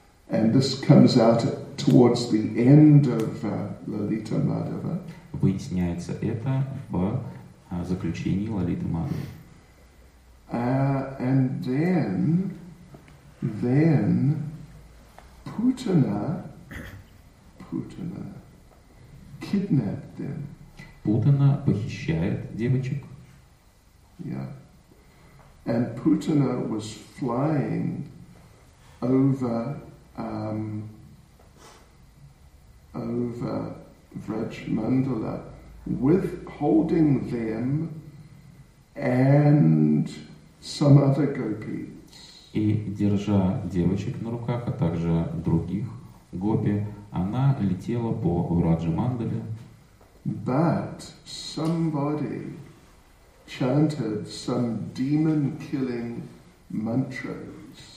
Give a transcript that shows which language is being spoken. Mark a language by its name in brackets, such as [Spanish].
[English] And this comes out towards the end of Lalita Madhava. [Russian] Выясняется это в заключении Лалиты Мадхавы. [English] And then Путана kidnapped them. [Russian] Путана похищает девочек. [English] Yeah. And Путана was flying over over Vrajmandala with holding them and some other gopis. [Russian] И держа девочек на руках, а также других гопи, она летела по Враджамандале. [English] But somebody chanted some demon-killing mantras.